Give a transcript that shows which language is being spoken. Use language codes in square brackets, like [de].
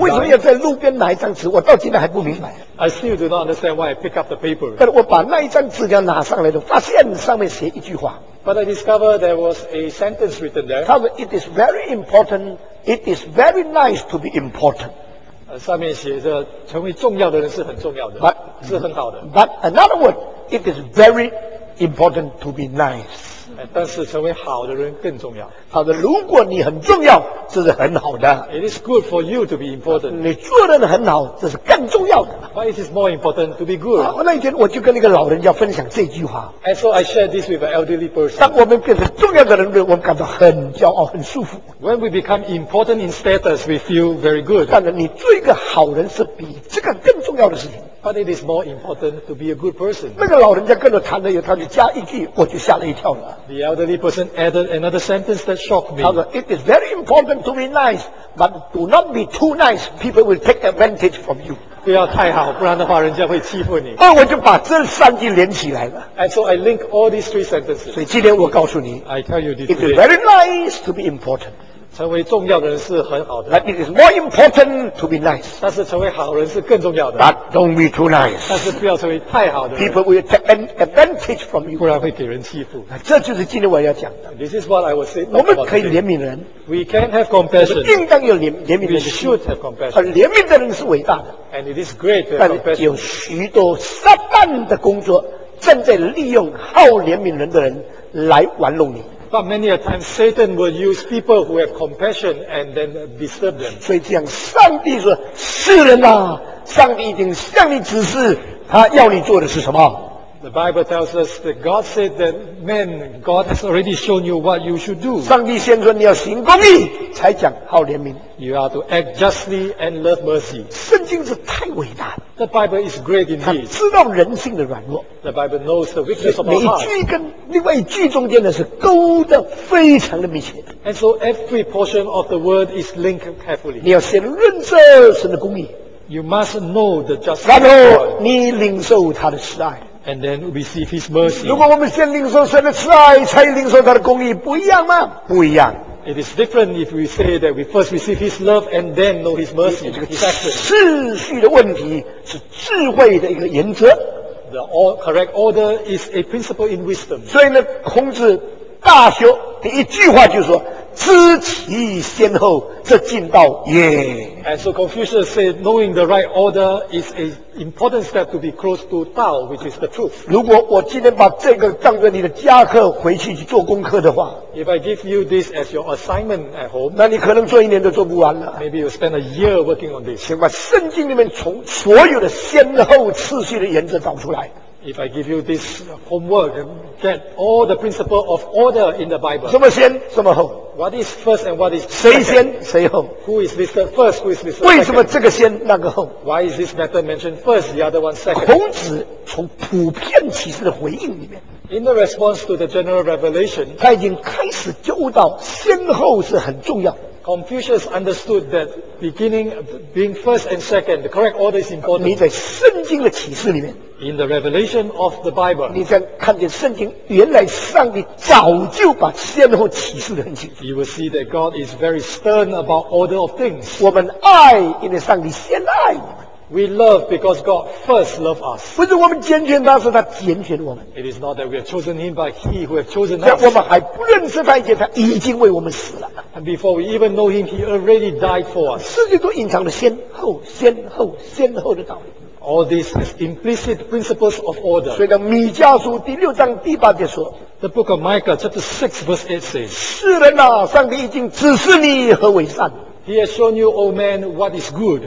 [zh] 为什么要在路边拿一张纸？我到今天还不明白。 [en] I still do not understand why I pick up the paper. [zh] 但我把那一张纸条拿上来的，发现上面写一句话。 [en] But I discovered there was a sentence written there. [zh] 他说 [en] ，It is very important. It is very nice to be important. [zh] 上面写着，成为重要的人是很重要的， [en] but, [zh] 是很好的。 [en] But another word, it is very important to be nice. [zh] 但是成为好的人更重要。他说，如果你很重要，这是很好的。 [en] It is good for you to be important. [zh] 你做得很好，这是更重要的。 [en] But it is more important to be good. [zh] 那一天我就跟那个老人家分享这句话。 [en] And so I shared this with an elderly person. [zh] 当我们变成重要的人，我们感到很骄傲，很舒服。 [en] When we become important in status, we feel very good. [zh] 当然，你做一个好人是比这个更重要的事情。 [en] But it is more important to be a good person. [zh] 那个老人家跟着谈了以后，他就加一句，我就吓了一跳了。 [en] The elderly person added another sentence that shocked me. [zh] 他说 [en] ，It is very important to be nice, but do not be too nice. People will take advantage from you. [zh] 不要太好，不然的话，人家会欺负你。那我就把这三句连起来了。 [en] And so I link all these three sentences. [zh] 所以今天我告诉你 [en] ，I tell you this. It is very nice to be important. [zh] 成为重要的人是很好的。 [en] But it is more important to be nice. [zh] 但是成为好人是更重要的。 [en] But don't be too nice. [zh] 但是不要成为太好的。 [en] People will take advantage from you. [zh] 不然会给人欺负。这就是今天我要讲的。 [en] This is what I was saying. [zh] 我们可以怜悯人。 [en] We can have compassion. [zh] 我们应当有怜悯的心。 [en] We should have compassion. [zh] 怜悯的人是伟大的。 [en] And it is great to have compassion. [zh] 但有许多撒旦的工作正在利用好怜悯人的人来玩弄你。 [en] But many a time Satan will use people who have compassion and then disturb them. [zh] 所以这样，上帝说：“世人啊，上帝已经向你指示，他要你做的是什么？ [en] The Bible tells us that God said that man, God has already shown you what you should do. [zh] 上帝先说你要行公义，才讲好怜悯。 [en] You are to act justly and love mercy. [zh] 圣经是太伟大。 [en] The Bible is great indeed. [zh] 他知道人性的软弱。 [en] The Bible knows the weakness of our heart. [zh] 每一句跟另外一句中间的是勾得非常的密切。 [en] And so every portion of the word is linked carefully. [zh] 你要先认证神的公义。 [en] You must know the justice. [zh] 然后你领受他的慈爱。 [en] And then receive his mercy. [zh] 如果我们先领受神的慈爱，才领受他的公义，不一样吗？不一样。 [en] It is different if we say that we first receive his love and then know his mercy. [zh] 这个次序的问题是智慧的一个原则。 [en] The correct order is a principle in wisdom. [zh] 所以呢，孔子大修的一句话就是说，知其先后，这进道也。 [en] And so Confucius said, knowing the right order is an important step to be close to Tao, which is the truth. [zh] 如果我今天把这个当作你的家课回去去做功课的话， [en] If I give you this as your assignment at home, [zh] 那你可能做一年都做不完了。 [en] Maybe you spend a year working on this. [zh] 请把圣经里面从所有的先后次序的原则找出来。 [en] If I give you this homework, get all the principle of order in the Bible. [zh] 什么先，什么后？ [en] What is first and what is second? [zh] 谁先，谁后？ [en] Who is listed first? Who is listed second? [zh] 为什么这个先，那个后？ [en] Why is this matter mentioned first, the other one second? [zh] 孔子从普遍启示的回应里面， [en] In the response to the general revelation, [zh] 他已经开始就悟到先后是很重要。 [en] Confucius understood that beginning, being first and second, the correct order is important. [zh] 你在圣经的启示里面。 [en] In the revelation of the Bible, [zh] 你将看见圣经原来上帝早就把先后启示得很清楚。 [en] You will see that God is very stern about order of things. [zh] 我们爱，因为上帝先爱。 [en] We love because God first loved us. [zh] 不是我们拣选他，是他拣选我们。 [en] It is not that we have chosen him, but he who has chosen us. [zh] 我们还不认识他以前，他已经为我们死了。 [en] And before we even know him, he already died for us. [zh] 世界都隐藏了先后、先后、先后的道理。 [en] All these is implicit principles of order. [zh] 所以呢，米迦书第六章第八节说， [en] The book of Micah, chapter 6, verse 8 says, [zh] 世人啊，上帝已经指示你何为善。 [en] He has shown you, O man, what is good.